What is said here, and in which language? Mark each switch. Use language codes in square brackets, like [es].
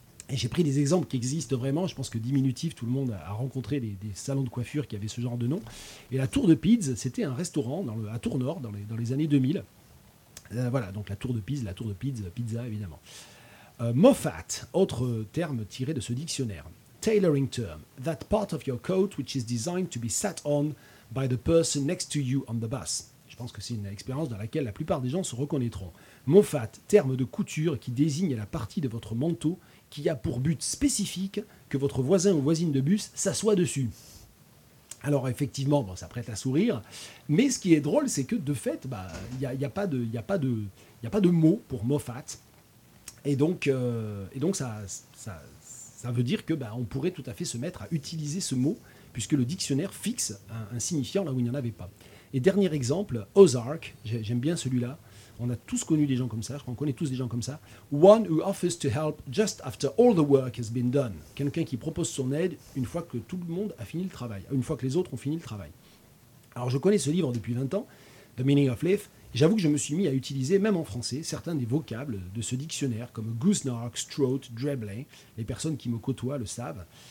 [fr] Et j'ai pris des exemples qui existent vraiment. Je pense que Diminutif, tout le monde a rencontré des salons de coiffure qui avaient ce genre de nom. Et la Tour de Pids, c'était un restaurant à Tournor, dans les années 2000. Voilà, donc la Tour de Pids, pizza évidemment. Moffat, autre terme tiré de ce dictionnaire. [en] Tailoring term, that part of your coat which is designed to be sat on by the person next to you on the bus. [fr] Je pense que c'est une expérience dans laquelle la plupart des gens se reconnaîtront. Moffat, terme de couture qui désigne la partie de votre manteau qui a pour but spécifique que votre voisin ou voisine de bus s'assoie dessus. Alors effectivement, bon, ça prête à sourire, mais ce qui est drôle, c'est que de fait, il n'y a pas de mot pour Moffat, et donc ça veut dire que on pourrait tout à fait se mettre à utiliser ce mot, puisque le dictionnaire fixe un signifiant là où il n'y en avait pas. Et dernier exemple, Ozark, j'aime bien celui-là, on a tous connu des gens comme ça, je crois qu'on connaît tous des gens comme ça. [en] One who offers to help just after all the work has been done. [fr] Quelqu'un qui propose son aide une fois que tout le monde a fini le travail, une fois que les autres ont fini le travail. Alors je connais ce livre depuis 20 ans, The Meaning of Life, et j'avoue que je me suis mis à utiliser, même en français, certains des vocables de ce dictionnaire, comme Goosenark, Strout, Dreblay, les personnes qui me côtoient le savent.